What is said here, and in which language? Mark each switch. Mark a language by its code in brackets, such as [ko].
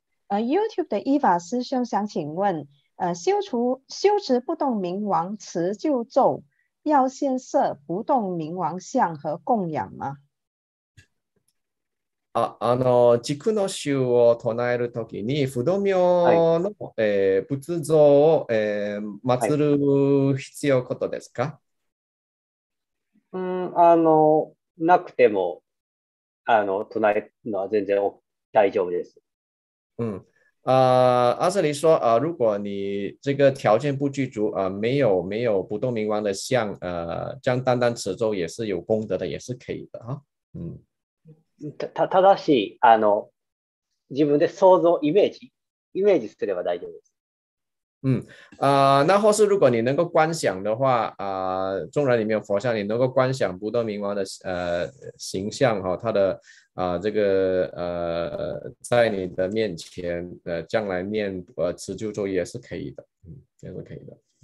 [zh] YouTube 的依法师兄想请问，修持不动明王持就咒，要先设不动明王像和供养吗？ [ja] 軸の宗を唱えるときに、不動明の、仏像を、祀る必要ことですか？なくても、唱えるのは全然大丈夫です。 [zh] 阿舍利说，如果你这个条件不具足，没有不动明王的像，这样单单持咒也是有功德的，也是可以的哈。 [ja] ただし、自分で想像、イメージすれば大丈夫です。 [zh] 那或是如果你能够观想的话，纵然你没有佛像，你能够观想不动明王的形象哈，他的这个在你的面前将来念持咒也是可以的，也是可以的。